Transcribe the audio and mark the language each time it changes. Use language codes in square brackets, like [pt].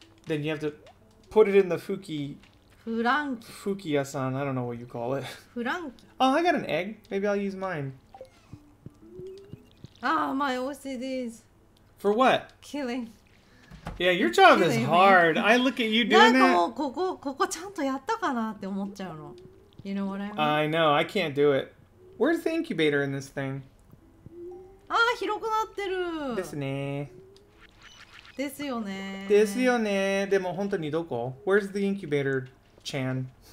[en] Then you have to put it in the fuki. Furanki. Fukiya-san, I don't know what you call it. Furanki. Oh, I got an egg. Maybe I'll use mine. Ah, oh, my OCDs. For what? Killing. Yeah, your job killing is hard. Me. I look at you doing that. [ja] ここちゃんとやったかなって思っちゃうの. [en] You know what I mean? I know, I can't do it. Where's the incubator in this thing? [ja] Ah, 広くなってる. ですね. ですよね。ですよね。でも本当にどこ? [en] Where's the incubator, Chan?